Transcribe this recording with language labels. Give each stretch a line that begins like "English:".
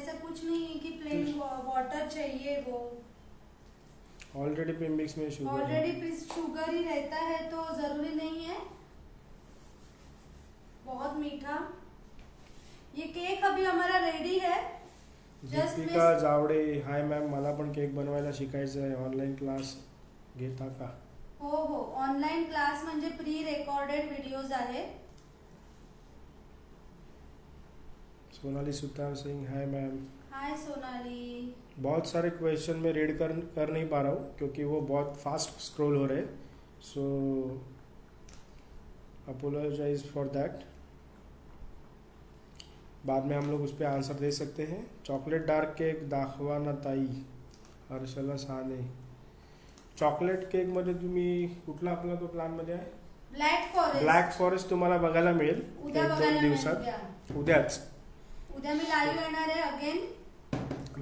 Hindi: ऐसा कुछ नहीं है कि प्लेन वॉटर चाहिए वो. ऑलरेडी प्रीमिक्स में शुगर, ऑलरेडी शुगर ही रहता है तो जरूरी नहीं है. बहुत मीठा ये केक अभी हमारा रेडी है.
Marathi: दीपिका जावडे हाय मैम, मला पण केक बनवायला शिकायचं आहे, ऑनलाइन क्लास घेता का? हो हो, ऑनलाइन क्लास म्हणजे प्री रेकॉर्डेड व्हिडिओज आहे.
English: Sonali Sutar Singh hi ma'am, hi Sonali.
Hindi: बहुत सारे क्वेश्चन में रीड कर नहीं पा रहा हूँ क्योंकि वो बहुत फास्ट स्क्रॉल हो रहे
English: So apologise for that.
Hindi: बाद में हम लोग उस पर आंसर दे सकते हैं.
Marathi: चॉकलेट डार्क केक दाखवाना ताई, हर्षला साने. चॉकलेट केक मध्ये तुम्ही कुठला आपला तो प्लान मध्ये आहे?
English: Black Forest.
Marathi: ब्लॅक फॉरेस्ट तुम्हाला बघायला मिळेल एक दोन दिवसात, उद्याच. उद्या मी लाईव्ह येणार आहे अगेन